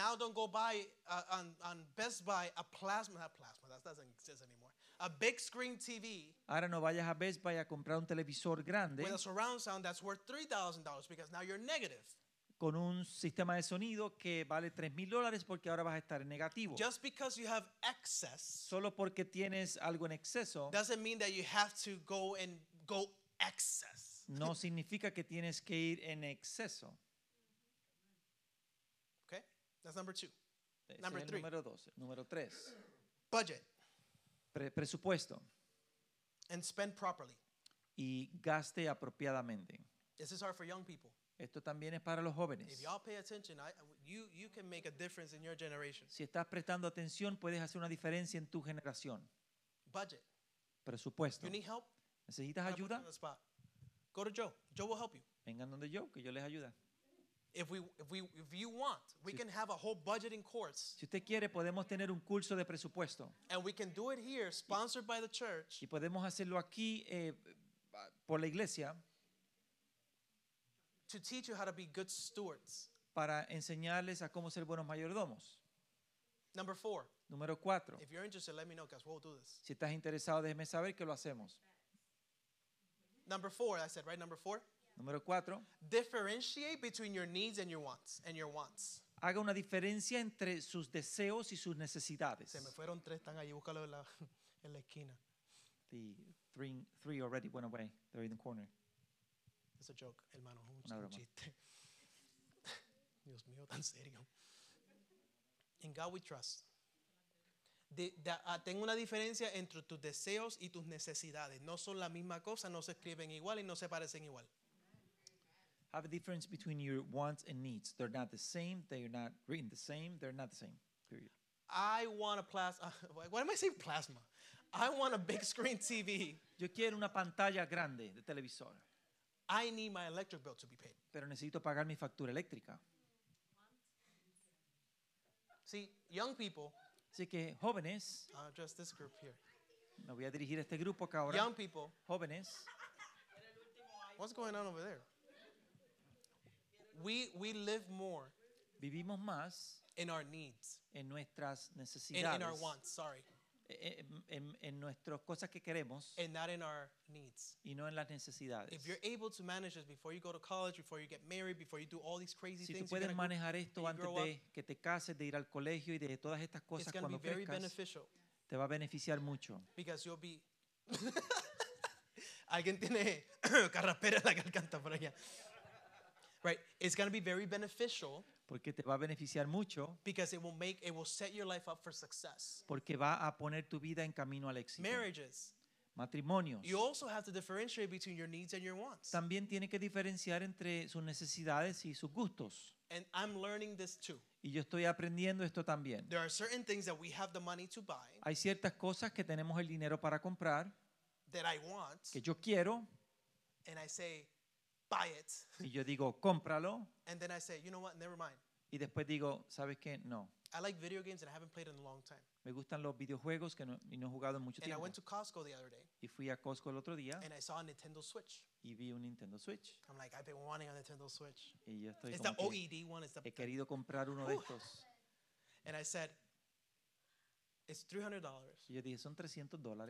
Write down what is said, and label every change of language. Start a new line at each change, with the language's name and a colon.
English: now don't go buy on Best Buy a plasma, not plasma, that doesn't exist anymore, a big screen TV.
Spanish: Ahora no vayas a Best Buy a comprar un televisor grande
English: with a surround sound that's worth $3,000 because now you're negative.
Spanish: Con un sistema de sonido que vale $3,000 porque ahora vas a estar en negativo.
English: Just because you have excess,
Spanish: solo porque tienes algo en exceso,
English: doesn't mean that you have to go and go excess.
Spanish: No significa que tienes que ir en exceso.
English: Okay, that's number two.
Spanish: Ese
English: number three.
Spanish: Número dos. Número tres.
English: Budget.
Spanish: Presupuesto.
English: And spend properly.
Spanish: Y gaste apropiadamente.
English: This is hard for young people.
Spanish: Esto también es para los jóvenes.
English: If y'all pay attention, you can make a difference in your generation.
Spanish: Si estás prestando atención, puedes hacer una diferencia en tu generación.
English: Budget.
Spanish: Presupuesto.
English: You need help?
Spanish: ¿Necesitas ayuda?
English: Go to Joe. Joe will help you.
Spanish: Vengan donde Joe, que yo les ayuda.
English: If you want, we can have a whole budgeting course.
Spanish: Si usted quiere, podemos tener un curso de presupuesto.
English: And we can do it here, sponsored by the church.
Spanish: Y podemos hacerlo aquí por la iglesia.
English: To teach you how to be good stewards.
Spanish: Para enseñarles a cómo ser buenos mayordomos.
English: Number four.
Spanish: Número cuatro.
English: If you're interested, let me know, because we'll do this.
Spanish: Si estás interesado, déjeme saber que lo hacemos.
English: Number four, I said, right? Number four.
Spanish: Número cuatro.
English: Differentiate between your needs and your wants. And your wants.
Spanish: Haga una diferencia entre sus deseos y sus necesidades. Se me fueron tres, están allí. Búscalo en la esquina.
English: The three already went away. They're in the corner. It's a joke, hermano.
Spanish: Un chiste. Dios mío, tan serio.
English: In God we trust.
Spanish: Tengo una diferencia entre tus deseos y tus necesidades. No son la misma cosa, no se escriben igual y no se parecen igual.
English: Have a difference between your wants and needs. They're not the same. They're not written the same. They're not the same. Period. I want a plasma. Why am I saying plasma? I want a big screen TV.
Spanish: Yo quiero una pantalla grande de televisor.
English: I need my electric bill to be paid.
Spanish: Pero necesito pagar mi factura eléctrica.
English: See, young people.
Spanish: Así que jóvenes,
English: I'll address this group here.
Spanish: Me voy a dirigir a este grupo acá ahora.
English: Young people,
Spanish: jóvenes,
English: what's going on over there? We live more.
Spanish: Vivimos más
English: in our needs.
Spanish: En nuestras necesidades.
English: In our wants, sorry.
Spanish: En nuestras cosas que queremos.
English: And not in our needs.
Spanish: Y no en las necesidades.
English: If you're able to manage this before you go to college, before you get married, before you do all these crazy
Spanish: si
English: things,
Spanish: si tú puedes manejar esto antes de que te cases, de ir al colegio y de todas estas cosas cuando crezcas,
English: very beneficial.
Spanish: Te va a beneficiar mucho.
English: Because you'll be
Spanish: alguien tiene carraspera en la garganta por allá.
English: Right, it's going to be very beneficial.
Spanish: Porque te va a beneficiar mucho.
English: Because it will set your life up for success.
Spanish: Porque va a poner tu vida en camino al éxito.
English: Marriages.
Spanish: Matrimonios.
English: You also have to differentiate between your needs and your wants.
Spanish: También tiene que diferenciar entre sus necesidades y sus gustos.
English: And I'm learning this too.
Spanish: Y yo estoy aprendiendo esto también.
English: There are certain things that we have the money to buy.
Spanish: Hay ciertas cosas que tenemos el dinero para comprar.
English: That I want.
Spanish: Que yo quiero.
English: And I say, buy it.
Spanish: Y yo digo, cómpralo.
English: And then I say, you know what? Never mind.
Spanish: Y después digo, ¿sabes qué? No.
English: I like video games and I haven't played in a long time.
Spanish: Me gustan los videojuegos que no he jugado en mucho
English: tiempo. And I went to Costco the other day.
Spanish: Y fui a Costco el otro día.
English: And I saw a Nintendo Switch.
Spanish: Y vi un Nintendo Switch.
English: I'm like, I've been wanting a Nintendo Switch.
Spanish: Y yo estoy
English: it's the OED one.
Spanish: He querido comprar uno de estos.
English: And I said, it's $300.
Spanish: Y yo dije, son $300.